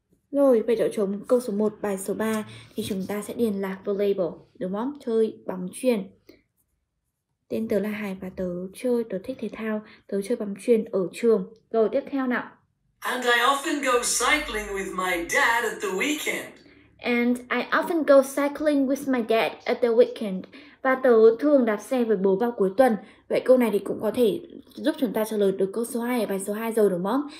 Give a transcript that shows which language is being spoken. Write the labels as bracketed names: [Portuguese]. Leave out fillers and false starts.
[Vietnamese] Rồi, về chỗ trống câu số 1 bài số 3 thì chúng ta sẽ điền là volleyball, đúng không? Chơi bóng chuyền. Tên tớ là Hải và tớ thích thể thao, tớ chơi bóng chuyền ở trường. Rồi tiếp theo nào. [English] And I often go cycling with my dad at the weekend. And I often go cycling with my dad at the weekend. [Vietnamese] Và tớ thường đạp xe với bố vào cuối tuần. Vậy câu này thì cũng có thể giúp chúng ta trả lời được câu số 2 ở bài số 2 rồi đúng không?